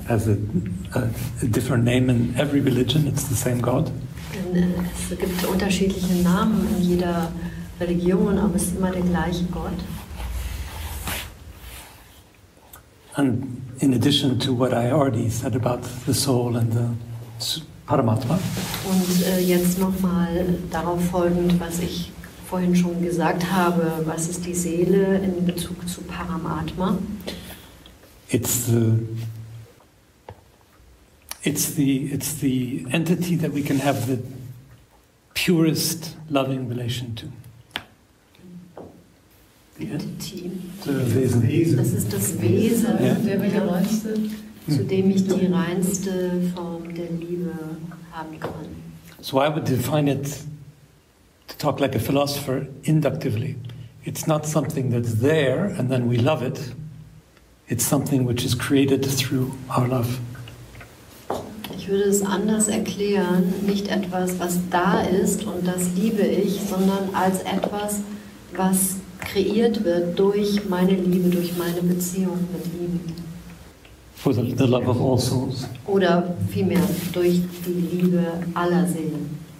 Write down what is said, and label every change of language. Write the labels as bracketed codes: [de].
[en] As a different name in every religion, it's the same God. [de] Es gibt unterschiedliche Namen in jeder Religion, aber es ist immer der gleiche Gott. [en] And in addition to what I already said about the soul and the Paramatma. [de] Und jetzt nochmal darauf folgend, was ich vorhin schon gesagt habe, was ist die Seele in Bezug zu Paramatma? [en] It's the entity that we can have the purest loving relation to. The entity. The Wesen. [de] Das ist das Wesen. [en] Yeah. [de] Der wir geleistet. zu dem ich die reinste Form der Liebe haben kann. [en] So I would define it, to talk like a philosopher, inductively. It's not something that's there and then we love it. It's something which is created through our love. [de] Ich würde es anders erklären, nicht etwas, was da ist und das liebe ich, sondern als etwas, was kreiert wird durch meine Liebe, durch meine Beziehung mit ihm. [en] For the love of all souls. [de] Oder vielmehr durch die Liebe aller Seelen.